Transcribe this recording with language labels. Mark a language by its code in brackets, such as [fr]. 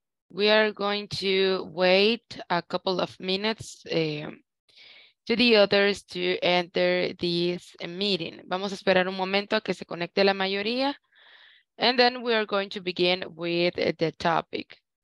[en] We are going to wait a couple of minutes to the others to enter this meeting. [es] Vamos a esperar un momento a que se conecte la mayoría. [en] And then we are going to begin with the topic.